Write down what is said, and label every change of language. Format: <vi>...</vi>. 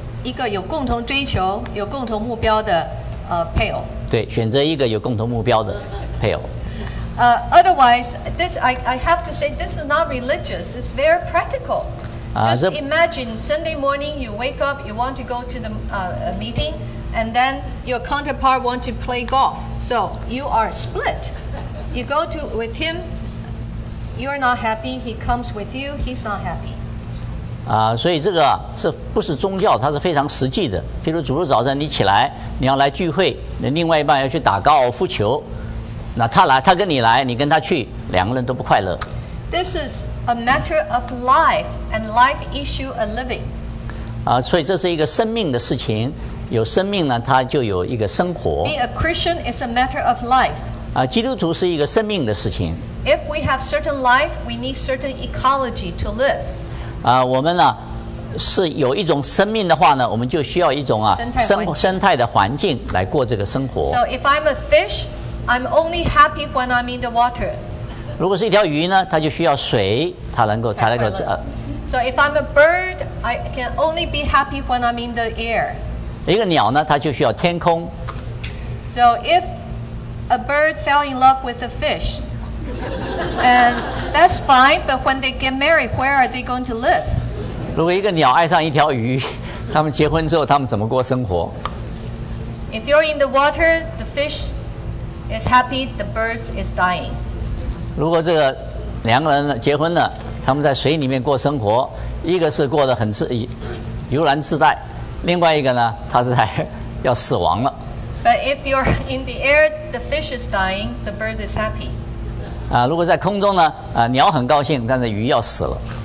<zh>一个有共同追求、有共同目标的配偶。对，选择一个有共同目标的配偶。</zh> <en>Otherwise, this I have to say, this is not religious. It's very practical. Just imagine Sunday morning, you wake up, you want to go to the meeting, and then your counterpart want to play golf. So you are split. You go to with him. You're not happy. He comes with you. He's not happy.</en> <zh>所以这个是不是宗教？它是非常实际的。譬如主日早晨你起来，你要来聚会，你另外一半要去打高尔夫球，那他来，他跟你来，你跟他去，两个人都不快乐。</zh> <en>This is a matter of life and life issue a living.</en> <zh>所以这是一个生命的事情。有生命呢，他就有一个生活。</zh> <en>Being a Christian is a matter of life.</en> <zh>基督徒是一个生命的事情。</zh> <en>If we have certain life, we need certain ecology to live.</en> <zh>我们呢、啊，是有一种生命的话呢，我们就需要一种生态的环境来过这个生活。</zh> <en>So if I'm a fish, I'm only happy when I'm in the water.</en> <zh>如果是一条鱼呢，它就需要水，它能够才能够。</zh> <en>So if I'm a bird, I can only be happy when I'm in the air.</en> <zh>一个鸟呢，它就需要天空。</zh> <en>So if a bird fell in love with a fish, and that's fine. But when they get married, where are they going to live?</en> <zh>如果一个鸟爱上一条鱼，他们结婚之后，他们怎么过生活？</zh> <en>If you're in the water, the fish is happy. The bird is dying.</en> <zh>如果这个两个人结婚了，他们在水里面过生活，一个是过得很悠然自在，另外一个呢，他是在要死亡了。</zh> <en>But if you're in the air, the fish is dying, the bird is happy.</en> <zh>如果在空中呢，鸟很高兴，但是鱼要死了。</zh>